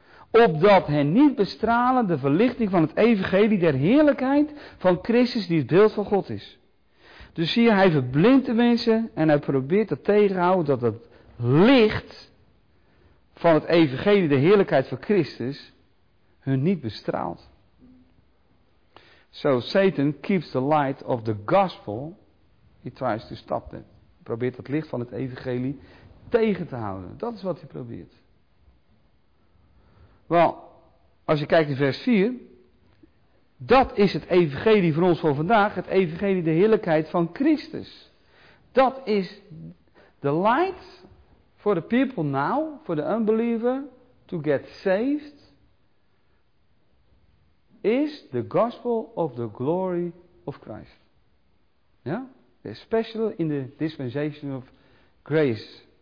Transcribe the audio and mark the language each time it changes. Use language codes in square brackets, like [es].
[nl] Opdat hen niet bestralen de verlichting van het evangelie der heerlijkheid van Christus die het beeld van God is. Dus zie je, hij verblindt de mensen en hij probeert dat tegenhouden dat het licht van het evangelie, de heerlijkheid van Christus, hun niet bestraalt. [en] So Satan keeps the light of the gospel, he tries to stop them. [nl] Hij probeert dat licht van het evangelie tegen te houden. Dat is wat hij probeert. Wel, als je kijkt in vers 4... Dat is het evangelie voor ons voor vandaag. Het evangelie, de heerlijkheid van Christus. Dat is [en] the light for the people now, for the unbeliever, to get saved, is the gospel of the glory of Christ. Ja? Especially in the dispensation of grace.